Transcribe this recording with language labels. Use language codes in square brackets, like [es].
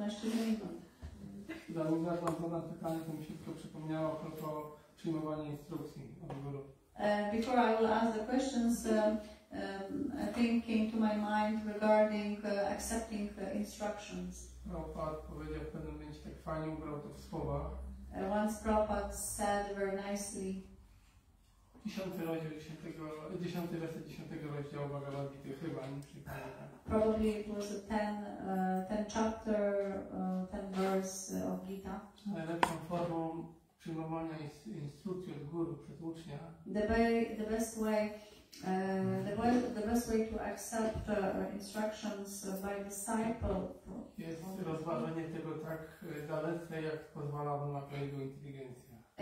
[pl] Pójdziesz do kobiety, dostaniesz inną odpowiedź od mężczyzny. Zanim zadam pytanie, to mi się tylko przypomniało o przyjmowanie instrukcji od guru. [en] Before I will ask the questions, a thing came to my mind regarding accepting the instructions. [pl] Prabhupada powiedział w pewnym momencie tak fajnie, ubrał to w słowa. [en] Once Prabhupada said very nicely, [pl] 10 rozdział Bhagavad Gita chyba, nie przypomnę. [en] Probably it was a 10 chapter, 10 verse of Gita. [pl] Najlepszą formą przyjmowania instrukcji od guru przez ucznia. [en] The best way to accept instructions by disciple. [pl] Jest rozważenie tego tak dalece, jak pozwala on na jego inteligencję.